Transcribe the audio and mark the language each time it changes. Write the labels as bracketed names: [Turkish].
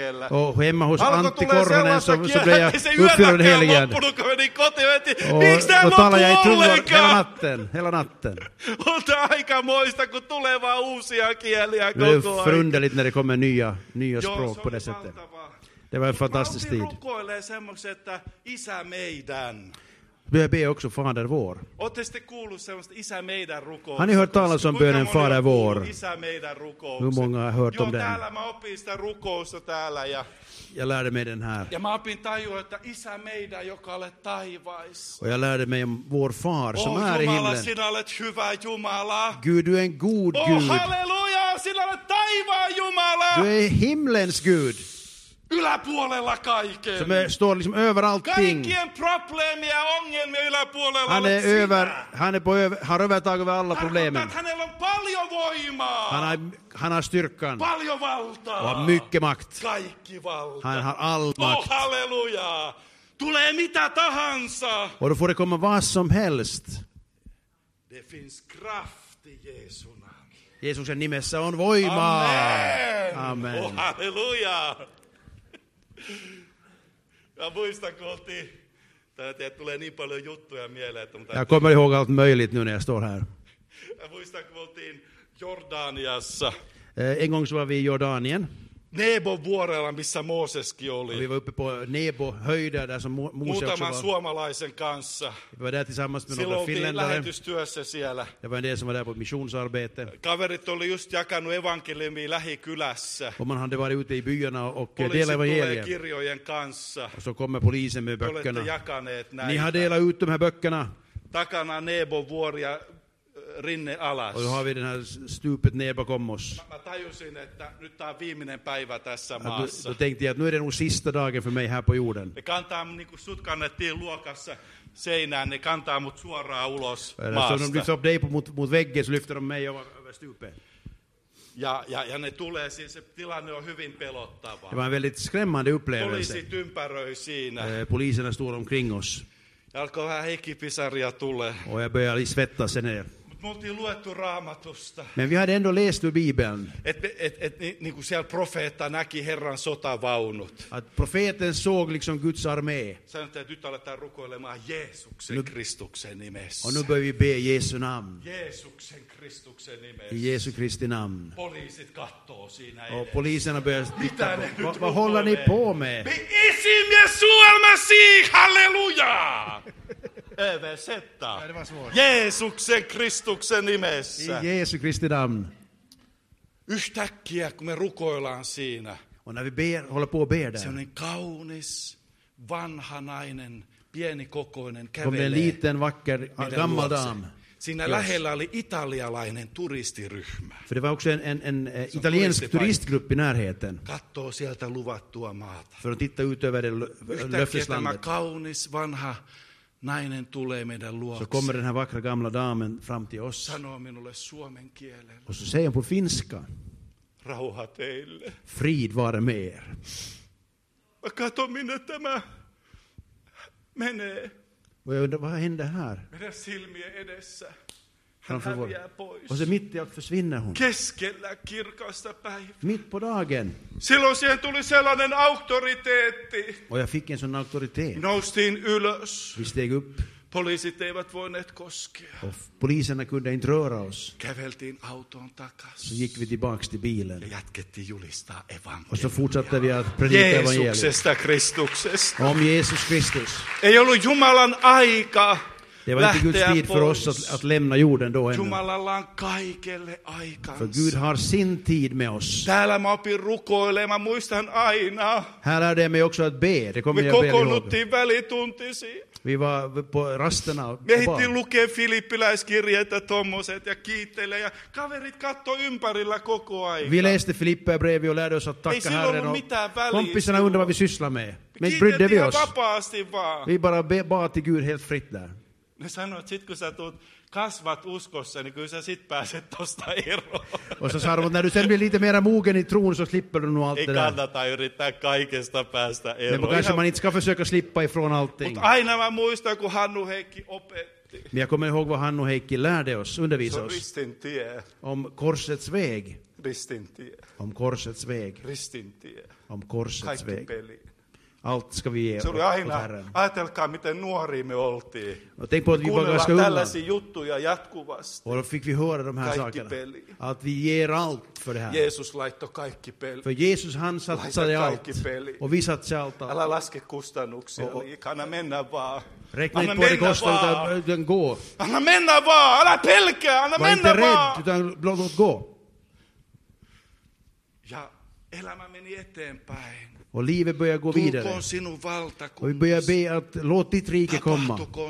[Swedish] Och hemma hos Antti Korhonen så blev jag uppfyllad helgen. Och talar jag i tungor hela natten. Och det är [Finnish] aika moista kun tulee vaan uusia kieliä koko ajan. [Swedish] Det är förunderligt när det kommer nya språk på det sättet. Det var en fantastisk tid. [Finnish] Mä alkoin rukoilemaan semmoksi, että isä meidän. [Swedish] Vi har bett också Fader vår. [Finnish] Ootte sitten kuullut semmoista isä meidän rukouksia? [Swedish] Har ni hört talas om bönen Fader vår? [Finnish] Isä meidän rukouksia? [Swedish] Hur många har hört om den? [Finnish] Joo, täällä mä opin sitä rukousta täällä ja... [Swedish] Jag lärde mig den här. [Finnish] Ja mä opin tajua, että isä meidän, joka olet taivaissa. [Swedish] Och jag lärde mig om vår far som är i himlen. [Finnish] Jumala, sinä olet hyvä Jumala. [Swedish] Gud, du är en god Gud. [Finnish] Halleluja, sinä olet taivaan Jumala. [Swedish] Du är himlens Gud. [Finnish] Yläpuolella kaiken. [Swedish] Som står liksom över allting. [Finnish] Kaikkien problemia, ongelmia yläpuolella [Swedish] han är över, han har övertaget över alla problemen. [Finnish] Hänellä on paljon voimaa. [Swedish] Han har styrkan. [Finnish] Paljon valtaa. [Swedish] Och har mycket makt. [Finnish] Kaikki valta. [Swedish] Han har all makt. [Finnish] Oh, halleluja. Tulee mitä tahansa. [Swedish] Och då får det komma vad som helst. Det finns kraft i Jesu namn. [Finnish] Jeesuksen nimessä on voimaa. Amen. Amen. Oh, halleluja. Ja muistan kohti. Tää tulee niin paljon juttuja mieleen, että [Swedish] mutta. Ja kommer ihåg allt möjligt nu när jag står här. [Finnish] Ja muistan kohti Jordaniassa. [Swedish] En gång så var vi i Jordanien. [Finnish] Nebo vuorella missä Mooseskin oli. [Swedish] Vi var uppe på Nebo höjden där som Mooses var. [Finnish] Muutaman suomalaisen kanssa. [Swedish] Vi var där tillsammans med några [Finnish] finländare. Lähetystyössä siellä. [Swedish] Ja var en del som var där på missionsarbete. [Finnish] Kaverit oli just jakanut evankeliumia lähikylässä. [Swedish] Och man hade varit ute i byarna och delat evangeliet. [Finnish] Poliisi tulee kirjojen kanssa. [Swedish] Och så kommer polisen med böckerna. [Finnish] Olette jakaneet näitä. [Swedish] Ni har delat ut de här böckerna. [Finnish] Takana Nebo vuoria rinne alas. [Swedish] Och då har vi den här stupet ner bakom oss. [Finnish] Mä tajusin, että nyt tämä on viimeinen päivä tässä maassa. [Swedish] Då tänkte jag att nu är det nog sista dagen för mig här på jorden. [Finnish] Ne kantaa, niin kuin sut kannettiin luokassa seinään, ne kantaa mut suoraan ulos maasta. [Swedish] Så de lyfter upp dig mot väggen så lyfter de mig över stupet. [Finnish] Ja ne tulee siis se tilanne on hyvin pelottava. [Swedish] Det var en väldigt skrämmande upplevelse. [Finnish] Poliisit ympäröi siinä. [Swedish] Poliiserna stod omkring oss. [Finnish] Ja alkoi vähän hikipisaria tulee. [Swedish] Och jag började svettas sen där. [Finnish] Me oltiin luettu Raamatusta. [Swedish] Men vi hade ändå läst ur Bibeln. [Finnish] Et niinku siellä profeetta näki Herran sotavaunut. [Swedish] Att profeten såg liksom Guds armé. [Finnish] Sanoit, että nyt aletaan rukoilemaan Jeesuksen Kristuksen nimessä. [Swedish] Och nu bör vi be Jesu namn. [Finnish] Jeesuksen Kristuksen nimessä. [Swedish] I Jeesu Kristi namn. [Finnish] Poliisit kattoo siinä. [Swedish] Och poliserna börjar titta på. Vad håller ni på med? [Finnish] Me esimme Suomasi, halleluja! Översätta. Jeesuksen Kristuksen nimessä. [Swedish] Jeesu Kristi namn. [Finnish] Yhtäkkiä, kun me rukoillaan siinä. [Swedish] Och när vi ber, håller på och ber där. [Finnish] Sellainen kaunis, vanha nainen, pienikokoinen kävelee. [Swedish] Kommer en liten, vacker, gammal dam. [Finnish] Siinä lähellä oli italialainen turistiryhmä. [Swedish] För det var också en italiensk turistgrupp i närheten. [Finnish] Kattoo sieltä luvattua maata. [Swedish] För att titta ut över det löfteslandet. [Finnish] Yhtäkkiä tämä kaunis, vanha nainen tulee meidän luokse. [Swedish] Så kommer den här vackra gamla damen fram till oss. [Finnish] Sanoo minulle suomen kielen. [Swedish] Och så säger hon på finska. [Finnish] Rauha teille. [Swedish] Frid vare med er. [Finnish] Mä katon minne tämä menee. [Swedish] Vad händer här? [Finnish] Meidän silmien edessä. Han häviää pois. [Swedish] Och så mitt i allt försvinner hon. [Finnish] Keskellä kirkasta päivää. [Swedish] Mitt på dagen. [Finnish] Silloin siihen tuli sellainen auktoriteetti. [Swedish] Och jag fick en sån auktoritet. [Finnish] Noustiin ylös. [Swedish] Vi steg upp. [Finnish] Poliisit eivät voineet koskea. [Swedish] Och poliserna kunde inte röra oss. [Finnish] Käveltiin autoon takas. [Swedish] Så gick vi tillbaks till bilen. [Finnish] Ja jatkettiin julistaa evankeliumia. [Swedish] Och så fortsatte vi att predika evangeliet. [Finnish] Jeesuksesta Kristuksesta. [Swedish] Om Jesus Kristus. [Finnish] Ei ollut Jumalan aika. [Swedish] Det var inte Guds tid för oss att lämna jorden då ännu. [Finnish] Jumalalla on kaikelle aikansa. [Swedish] För Gud har sin tid med oss. [Finnish] Täällä mä opin rukoilemaan, muistan aina. [Swedish] Här lärde jag mig också att be. Det kommer [Finnish] me [Swedish] jag [Finnish] kokoonnuttiin välituntisiin. [Swedish] Vi var på rasterna. [Finnish] Me ehdittiin lukea filippiläiskirjeitä tommoset ja kiittele. Ja kaverit katsoi ympärillä koko ajan. [Swedish] Vi läste Filippiä brevi och lärde oss att tacka Herren. [Finnish] Ei sillä ollut mitään. [Swedish] Kompisarna undrar vad vi sysslar med. Men brydde vi oss. [Finnish] Vapaasti vaan. [Swedish] Vi bara bad till Gud helt fritt där. [Finnish] Ne sanoo, että sit kun sä tuut, kasvat uskossa, niin kyllä sä sit pääset tosta eroon. [Swedish] Och så sa de, när du sen blir lite mera mogen i tron så slipper du nog allt det där. [Finnish] Ei kannata yrittää kaikesta päästä eroon. [Swedish] Men kanske man inte ska försöka slippa ifrån allting. [Finnish] Mutta aina mä muistan, kun Hannu Heikki opetti. [Swedish] Men jag kommer ihåg vad Hannu Heikki lärde oss, undervisa oss. [Finnish] Så ristin tie. [Swedish] Om korsets väg. [Finnish] Ristin tie. [Swedish] Om korsets väg. [Finnish] Ristin tie. [Swedish] Om korsets väg. [Finnish] Kaikki peli. [Swedish] Allt ska vi ge. [Finnish] Se oli aina, ajatelkaa miten nuoria me oltiin. [Swedish] No, tänk på att vi var ganska unga. [Finnish] Tällaisia juttuja jatkuvasti. [Swedish] Och då fick vi höra de här [Finnish] kaikki [Swedish] sakerna. [Finnish] Peli. [Swedish] Att vi ger allt för det här. [Finnish] Jesus laitto kaikki peli. [Swedish] För Jesus han satsade allt. [Finnish] Peli. [Swedish] Och vi satsade allt. [Finnish] Älä laske kustannuksia. Kanna mennä vaan. [Swedish] Räkna inte på det kostar utan den gå. [Finnish] Anna mennä vaan. Älä pelkää. Anna mennä vaan. [Swedish] Var inte rädd utan låt oss gå. [Finnish] Ja elämä meni eteenpäin. [Swedish] Och livet börjar gå vidare. Och vi börjar be att låt ditt rike komma.